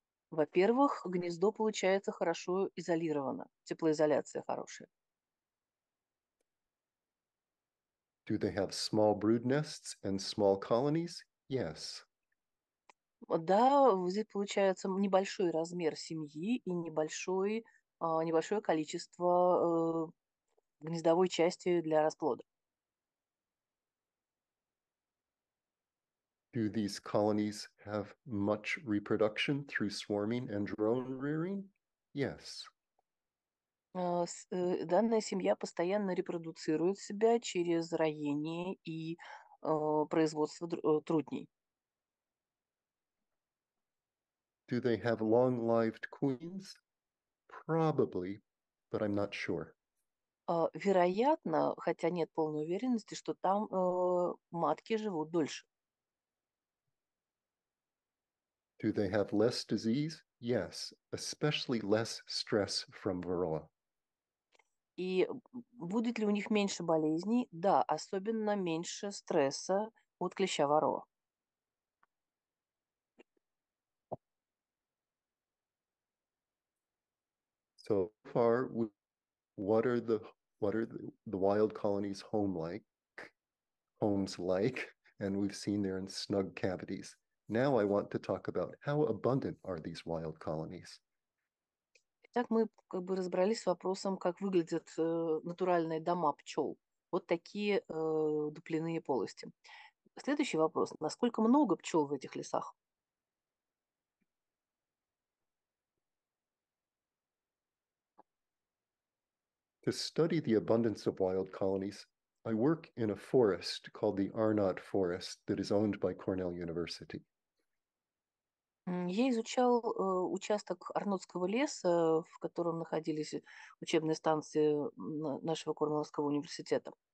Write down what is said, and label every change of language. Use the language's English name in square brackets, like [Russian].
[Russian] Во-первых, гнездо получается хорошо изолировано, теплоизоляция хорошая. [English] Do they have small brood nests and small colonies? Yes. [Russian] Да, здесь получается небольшой размер семьи и небольшое количество гнездовой части для расплода. [English] Do these colonies have much reproduction through swarming and drone rearing? Yes. [Russian] Данная семья постоянно репродуцирует себя через роение и производство трутней. [English] Do they have long-lived queens? Probably, but I'm not sure. [Russian] Вероятно, хотя нет полной уверенности, что там матки живут дольше. [English] Do they have less disease? Yes, especially less stress from varroa. [Russian] И будет ли у них меньше болезней? Да, особенно меньше стресса от клеща варроа. [English] So far, what are the wild colonies homes like, and we've seen they're in snug cavities. Now I want to talk about how abundant are these wild colonies. [Russian] Так мы как бы разобрались с вопросом, как выглядят натуральные дома пчел. Вот такие дупляные полости. Следующий вопрос. Насколько много пчел в этих лесах? [English] To study the abundance of wild colonies, I work in a forest called the Arnott Forest that is owned by Cornell University. [Russian] Я изучал участок Арнотского леса, в котором находились учебные станции нашего Корнеллского университета.